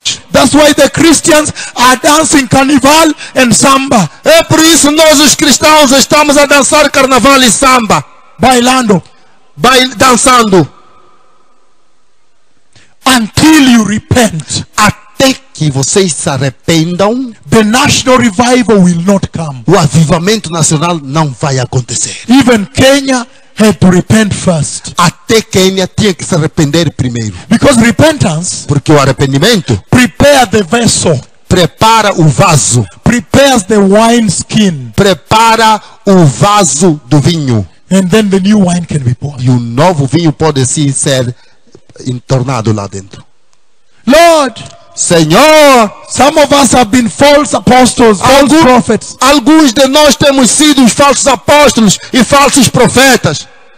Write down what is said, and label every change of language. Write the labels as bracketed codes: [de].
[en] That's why the Christians are dancing carnival and samba. [pt] É por isso nós os cristãos estamos a dançar carnaval e samba. [es] Bailando. [pt] Dançando. [en] Until you repent. [pt] Até que vocês se arrependam, [en] the national revival will not come. [pt] O avivamento nacional não vai acontecer. [en] Even Kenya had to repent first. [pt] Até Kenya tinha que se arrepender primeiro. [en] Because repentance, [pt] porque o arrependimento, [en] prepare the vessel, [pt] prepara o vaso, [en] prepares the wine skin, [pt] prepara o vaso do vinho, [en] and then the new wine can be poured. [pt] E o novo vinho pode sim ser entornado lá dentro. [en] Lord, [pt] Senhor, [en] some of us have been false apostles, false prophets. [pt] Alguns de nós temos sido falsos apóstolos e falsos profetas.